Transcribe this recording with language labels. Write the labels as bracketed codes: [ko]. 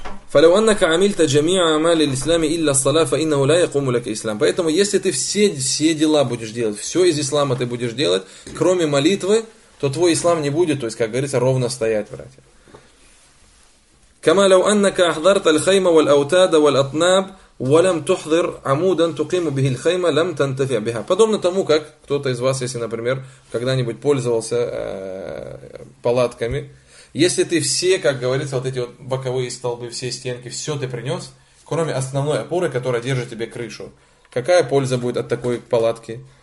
[ar] فَلَوْ أَنَّكَ عَمِلْتَ جَمِيعَ عَمَالِ الْإِسْلَامِ إِلَّا الصَّلَاةِ فَإِنَّهُ لَا يَقُومُ لَكَ إِسْلَامِ [ru] Поэтому, если ты все дела будешь делать, все из ислама ты будешь делать, кроме молитвы, то твой ислам не будет, то есть, как говорится, ровно стоять, братья. [ar] كما لو أنك أحضرت الخيمة والأوتاد والأطناب ولم تحضر عمودا تقيم به الخيمة لم تنتفع بها. [ru] Подобно тому, как кто-то из вас, если, например, когда-нибудь пользовался палатками, если ты все, как говорится, вот эти вот боковые столбы, все стенки, все ты принес, кроме основной опоры, которая держит тебе крышу, какая польза будет от такой палатки?